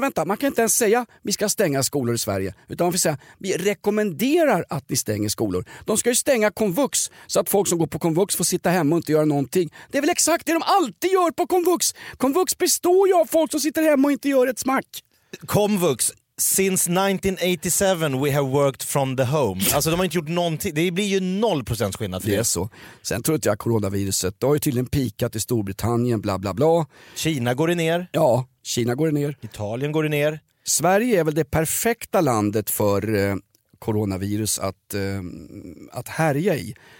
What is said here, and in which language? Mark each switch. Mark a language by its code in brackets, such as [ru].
[sv] Vänta, man kan inte ens säga vi ska stänga skolor i Sverige. Utan man får säga, vi rekommenderar att ni stänger skolor. De ska ju stänga konvux så att folk som går på konvux får sitta hemma och inte göra någonting. Det är väl exakt det de alltid gör på konvux. Konvux består ju av folk som sitter hemma och inte gör ett smack. [en] Konvux, since 1987 we have worked from the home. [sv] Alltså de har inte gjort någonting. Det blir ju 0% skillnad för det. Det är så. Sen tror inte jag coronaviruset. Det har ju tydligen peakat i Storbritannien, bla bla bla. Kina går ner. Italien går ner. Sverige är väl det perfekta landet för coronavirus att härja i.